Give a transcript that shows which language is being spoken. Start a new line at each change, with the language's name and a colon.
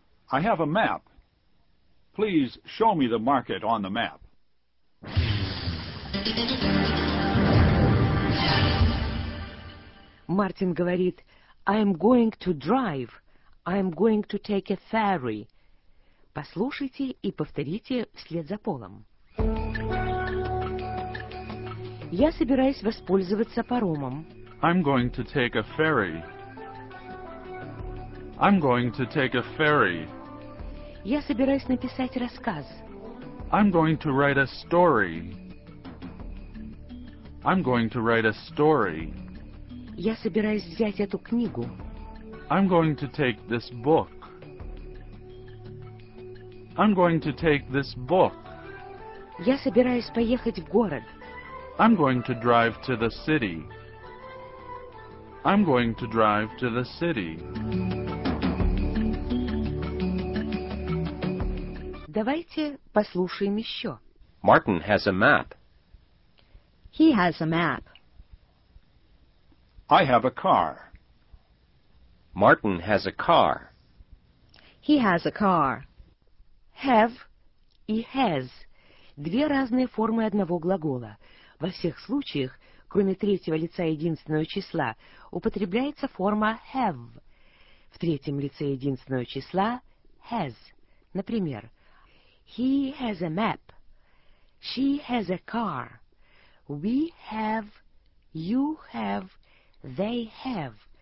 English: I have a map. Please show me the market on the map.
Russian: Мартин говорит,
English: I am going to drive. I am going to take a ferry.
Russian: Послушайте и повторите вслед за Полом. Я собираюсь воспользоваться паромом.
English: I'm going to take a ferry. I'm going to take a ferry.
Russian: Я собираюсь написать рассказ.
English: I'm going to write a story. I'm going to write a story.
Russian: Я собираюсь взять эту книгу.
English: I'm going to take this book. I'm going to take this book.
Russian: Я собираюсь поехать в город.
English: I'm going to drive to the city. I'm going to drive to the city.
Russian: Давайте послушаем еще.
English: Martin has a map. He has a map. I have a car. Martin has a car. He has a car.
Russian: Have и has – две разные формы одного глагола. Во всех случаях, кроме третьего лица единственного числа, употребляется форма have. В третьем лице единственного числа – has.
English: Например, he has a map, she has a car, we have, you have, they have.